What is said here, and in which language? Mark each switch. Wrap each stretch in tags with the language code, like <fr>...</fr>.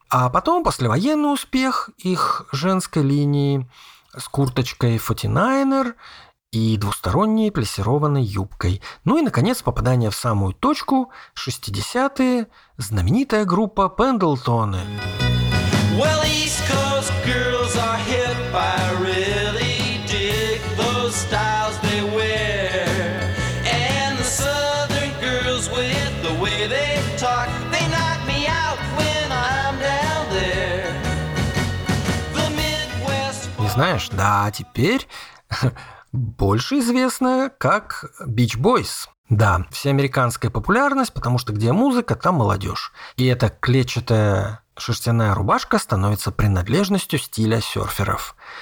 <ru>А потом послевоенный успех их женской линии с курточкой 49er и двусторонней плиссированной юбкой. Ну и, наконец, попадание в самую точку, 60-е, знаменитая группа Пендлтоны.</ru> <en>Well, East Coast girls are hip, I really dig those styles they wear. And the southern girls with the way they talk, they knock me out when I'm down there. The Midwest...</en> <ru>И знаешь, да, теперь... Больше известная как Beach Boys. Да, всеамериканская популярность, потому что где музыка, там молодежь. И эта клетчатая шерстяная рубашка становится принадлежностью стиля серферов.</ru>